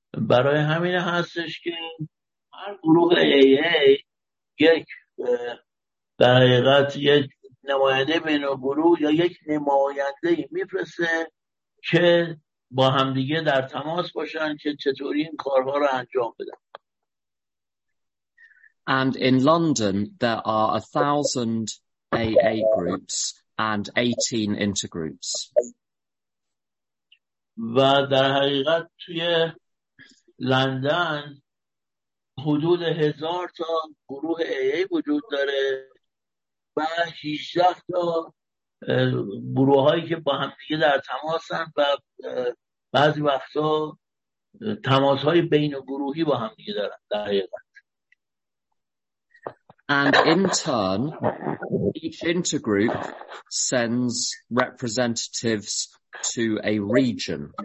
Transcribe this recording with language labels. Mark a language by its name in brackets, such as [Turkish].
[Persian] برای همین هستش که هر گروه AA یک در حقیقت یک نماینده بین گروه یا یک نماینده میفرسته که با همدیگه در تماس باشن که چطوری این کارها رو انجام بدن. [English] And in London, there are 1,000 AA groups and 18 intergroups. [Persian] و در حقیقت توی لندن حدود 1,000 تا گروه AA وجود داره و 18 تا گروه هایی که با هم دیگه در تماسن و بعضی وقتا تماس های بین گروهی با هم دیگه دارن در حقیقت. [English] And in turn, each intergroup sends representatives to a region.